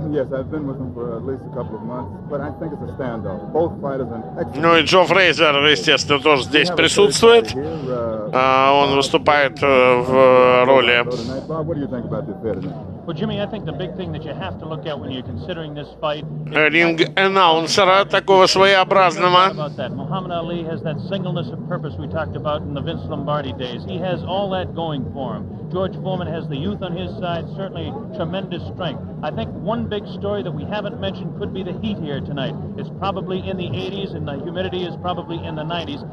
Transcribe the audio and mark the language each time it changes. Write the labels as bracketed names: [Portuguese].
[English] Yes, I've been with them for at least a couple of months, but I think it's a standoff. Both fighters are excellent. [Russian] Ну и Джо Фрейзер, естественно, тоже здесь присутствует. Он выступает в роли. [English] What do you think about this fight tonight? Well, Jimmy, I think the big thing that you have to look at when you're considering this fight... [Russian] Ринг-анонсера такого своеобразного. [English] Мухаммед Али has that singleness of purpose we talked about in the Vince Lombardi days. He has all that going for him. George Foreman has the youth on his side, certainly tremendous strength. I think one big story that we haven't mentioned could be the heat here tonight. It's probably in the 80s and the humidity is probably in the 90s.